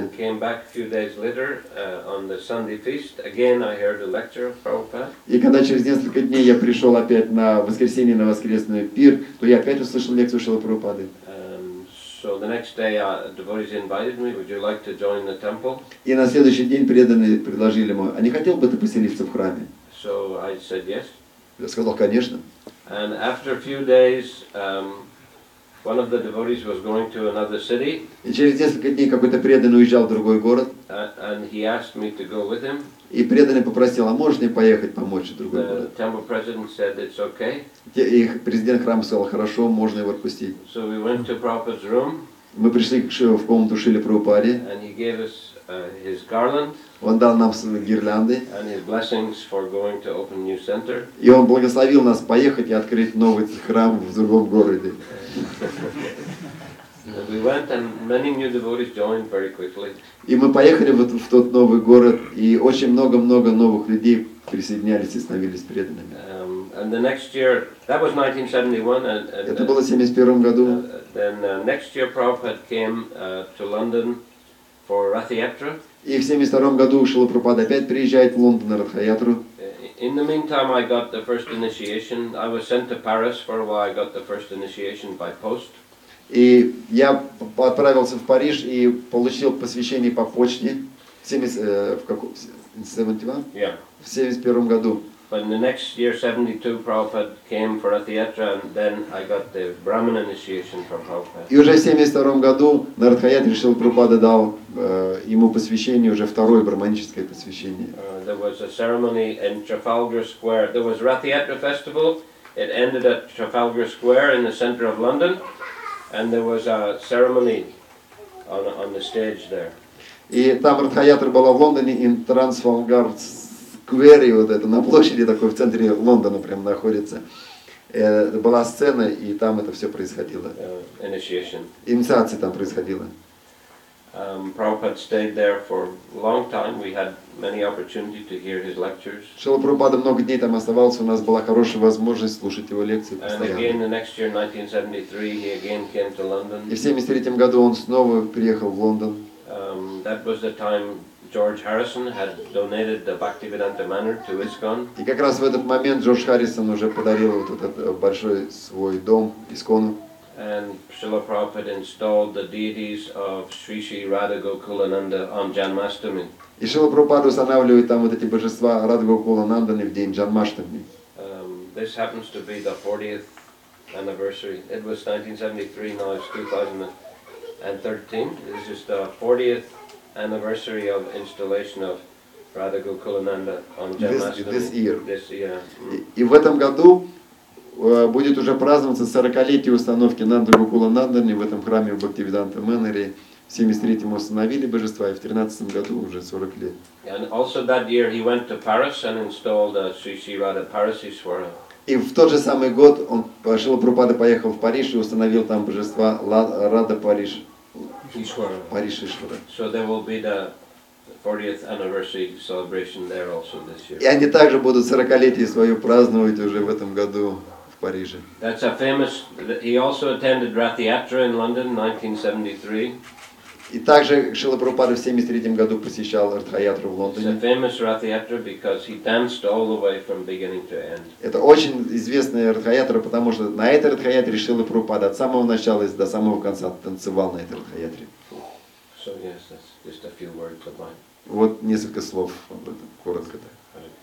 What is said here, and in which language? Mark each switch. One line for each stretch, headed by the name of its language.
English: And came back a few days later on the Sunday feast. Again, I heard the lecture of Prabhupada.
Russian: И когда через несколько дней я пришел опять на воскресенье на воскресный пир, то я опять услышал лекцию Шрилы Прабхупады.
English: So the next day, devotees invited me. Would you like to join the temple?
Russian: И на следующий день преданные предложили мне: а не хотел бы ты поселиться в храме?
English: So I said yes.
Russian: Я сказал: конечно.
English: And after a few days, one of the devotees was going to another city.
Russian: И через несколько дней какой-то преданный уезжал в другой город.
English: And he asked me to go with him.
Russian: И преданный попросил: а можно ли поехать помочь в другой город?
English: The temple president said it's okay.
Russian: И президент храма сказал: хорошо, можно его отпустить.
English: So we went to Prabhupada's room.
Russian: Мы пришли в комнату Шрилы Прабхупады.
English: And he gave us his garland.
Russian: Он дал нам свои гирлянды.
English: And his blessings for going to open new center.
Russian: И он благословил нас поехать и открыть новый храм в другом городе.
English: We went and many new devotees joined very quickly.
Russian: И мы поехали в тот новый город, и очень много новых людей присоединялись и становились преданными.
English: And the next year, that was 1971.
Russian: Это было в 71 году.
English: Then next year, Prabhupada came to London for Rathayatra.
Russian: И в 72 году Шрила Прабхупада опять приезжает в Лондон на Ратха-Ятру.
English: In the meantime, I got the first initiation. I was sent to Paris for a while. I got the first initiation by post.
Russian: И я отправился в Париж и получил посвящение по почте в 71 году.
English: But in the next year, 72, Prabhupada came for Ratha-Yatra, and then I got the Brahmin initiation from Prabhupada.
Russian: И уже в 72 году на Ратха-Ятре Шрила Прабхупада дал ему посвящение, уже второе брахманическое посвящение.
English: There was a ceremony in Trafalgar Square. There was Ratha-Yatra festival. It ended at Trafalgar Square in the center of London. And there was a ceremony on the stage there.
Russian: И там Ратха-Ятра была в Лондоне,
English: in Trafalgar Square,
Russian: вот это на площади такой в центре Лондона прям находится. Была сцена, и там это все происходило.
English: Initiation.
Russian: Инициация там происходила.
English: Prabhupada stayed there for a long time. We had many opportunities to hear his lectures.
Russian: Шрила Прабхупада много дней там оставался, у нас была хорошая возможность слушать его лекции постоянно.
English: And again the next year, 1973, he again came to London.
Russian: И в 73 году он снова приехал в Лондон.
English: That was the time George Harrison had donated the Bhaktivedanta Manor to ISKCON.
Russian: И как раз в этот момент Джордж Харрисон уже подарил вот этот большой свой дом ISKCON.
English: And Srila Prabhupada installed the deities of Sri Sri Radha Gokula Nanda on Janmashtami.
Russian: И Шрила Прабхупада устанавливает там вот эти божества Радха Гокула Нанданы в день Джанмаштами.
English: This happens to be the 40th anniversary. It was 1973, now it's 2013. This is the 40th anniversary of installation of Radha Gokula Nanda on Janmashtami. This year.
Russian: И в этом году будет уже праздноваться 40-летие установки Нанды Гокула Нандани в этом храме в Бхактивиданта Мэннере. В 73-м установили божества, и в 13-м году уже 40 лет.
English: And also that year he went to Paris and installed a Sri Sri Radha Parasiswara.
Russian: И в тот же самый год он Шрила Прабхупада поехал в Париж и установил там божества Радха Париж. Ишвара. Париж Ишвара.
English: So there will be the 40th anniversary celebration there also this year.
Russian: И они также будут 40-летие свое праздновать уже в этом году. Париже.
English: That's a famous. He also attended Ratha-Yatra in London, 1973.
Russian: И также Шрила Прабхупада в 73 году посещал Ратха-Ятру в Лондоне.
English: It's a famous Ratha-Yatra because he danced all the way from beginning to end.
Russian: Это очень известная Ратха-Ятра, потому что на этой Ратха-Ятре Шрила Прабхупада от самого начала и до самого конца танцевал на этой Ратха-Ятре.
English: So yes, that's just a few words of mine.
Russian: Вот несколько слов об этом, коротко так.